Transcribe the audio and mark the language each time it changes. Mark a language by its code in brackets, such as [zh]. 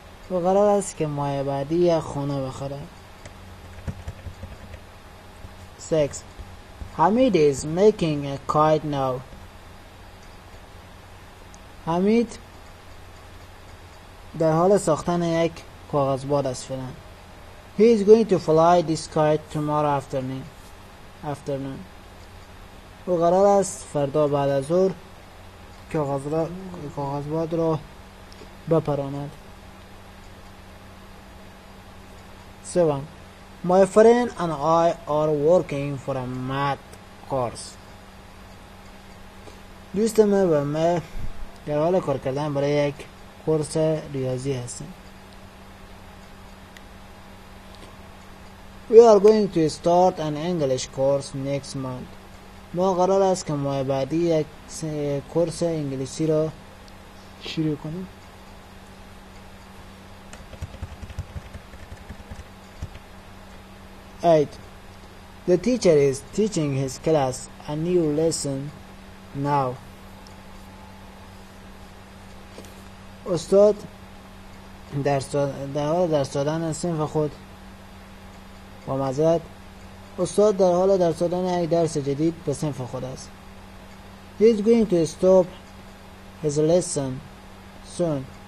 [fa] و قرار است که ماه بعدی یک خانه بخره. [en] 6. Hamid is making a kite now. [fa] Hamid در حال ساختن یک کاغذ باد است فعلا. [en] He is going to fly this kite tomorrow afternoon. [fa] او قرار است فردا بعد از ظهر کاغذ باد را بپراند. [en] 7. My friend and I are working for a math course. [fa] دوست من و من در حال کار کردن برای یک کورس ریاضی هستیم. [en] We are going to start an English course next month. [fa] ما قرار است که ماه بعدی یک کورس انگلیسی را شروع کنیم. [en] 8. The teacher is teaching his class a new lesson now. [fa] استاد در حال درس دادن صنف خود با مزد. استاد در حال درس دادن یک درس جدید به صنف خود است. [en] He is going to stop his lesson soon.